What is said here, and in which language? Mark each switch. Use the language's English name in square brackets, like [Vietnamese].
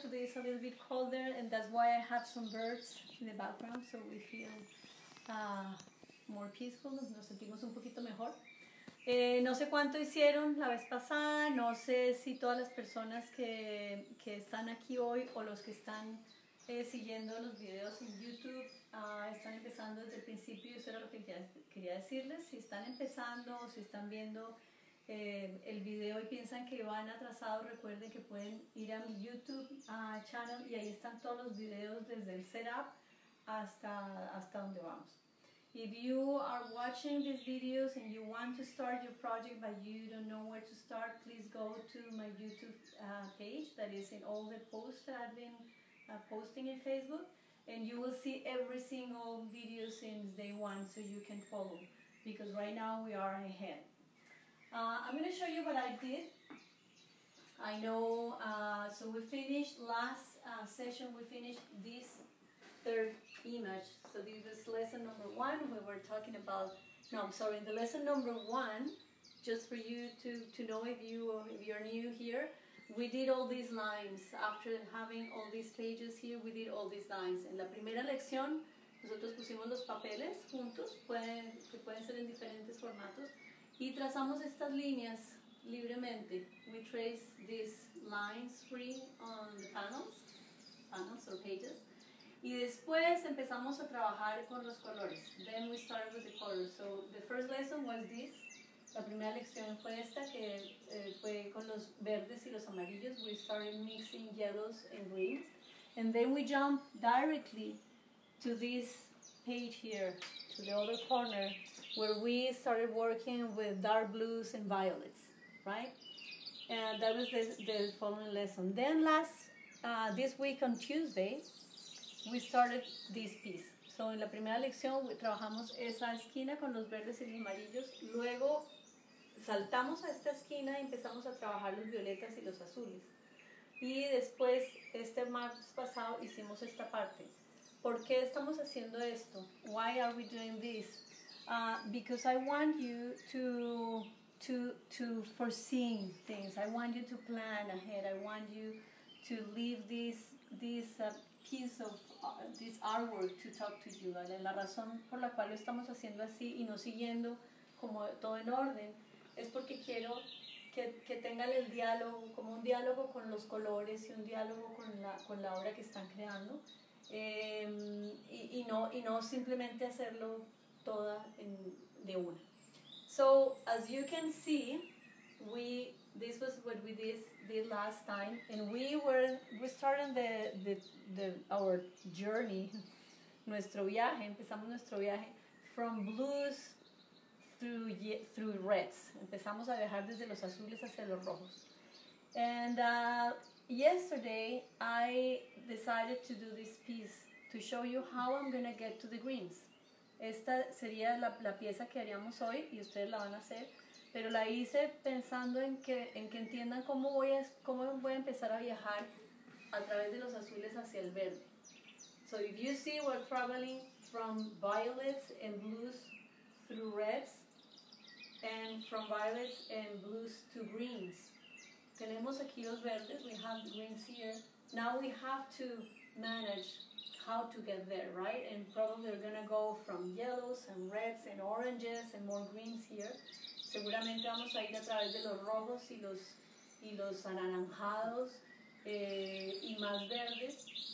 [English] Today is a little bit colder, and that's why I have some birds in the background, so we feel more peaceful. [Spanish] Nos sentimos un poquito mejor. No sé cuánto hicieron la vez pasada. No sé si todas las personas que están aquí hoy o los que están siguiendo los videos en YouTube están empezando desde el principio. Eso era lo que quería decirles. Si están empezando o si están viendo el video y piensan que van atrasados, recuerden que pueden ir a mi YouTube channel y ahí están todos los videos desde el setup hasta donde vamos. [English] If you are watching these videos and you want to start your project but you don't know where to start, please go to my YouTube page that is in all the posts that I've been posting in Facebook, and you will see every single video since day one, so you can follow, because right now we are ahead. I'm going to show you what I did. I know, so we finished last session, we finished this third image. So this is lesson number one. We were talking about, no, I'm sorry, the lesson number one, just for you to know if you're new here. We did all these lines. After having all these pages here, we did all these lines. [Spanish] En la primera lección, nosotros pusimos los papeles juntos, que pueden ser en diferentes formatos, y trazamos estas líneas libremente. [English] We trace these lines free on the panels or pages. [Spanish] Y después empezamos a trabajar con los colores. [English] Then we started with the colors. So the first lesson was this. [Spanish] La primera lección fue esta, que fue con los verdes y los amarillos. [English] We started mixing yellows and greens. And then we jump directly to this page here, to the other corner, where we started working with dark blues and violets, right? And that was the following lesson. Then last, this week on Tuesday, we started this piece. [Spanish] So en la primera lección, trabajamos esa esquina con los verdes y los amarillos. Luego saltamos a esta esquina y empezamos a trabajar los violetas y los azules. Y después, este martes pasado, hicimos esta parte. ¿Por qué estamos haciendo esto? [English] Why are we doing this? Because I want you to to foresee things. I want you to plan ahead. I want you to leave this piece of this artwork to talk to you. [Spanish] ¿Vale? La razón por la cual lo estamos haciendo así y no siguiendo como todo en orden es porque quiero que tengan el diálogo, como un diálogo con los colores y un diálogo con la obra que están creando. Y no simplemente hacerlo toda en, de una. [English] So, as you can see, this was what we did last time, and we started our journey, [Spanish] nuestro viaje, empezamos nuestro viaje, [English] from blues through reds. [Spanish] Empezamos a viajar desde los azules hacia los rojos. [English] And yesterday, I decided to do this piece to show you how I'm going to get to the greens. [Spanish] Esta sería la pieza que haríamos hoy, y ustedes la van a hacer, pero la hice pensando en que entiendan cómo voy a empezar a viajar a través de los azules hacia el verde. [English] So if you see we're traveling from violets and blues through reds, and from violets and blues to greens. [Spanish] Tenemos aquí los verdes, [English] we have the greens here. Now we have to manage how to get there, right? And probably we're gonna go from yellows and reds and oranges and more greens here. [Spanish] Seguramente vamos a ir a través de los rojos y los anaranjados y más verdes.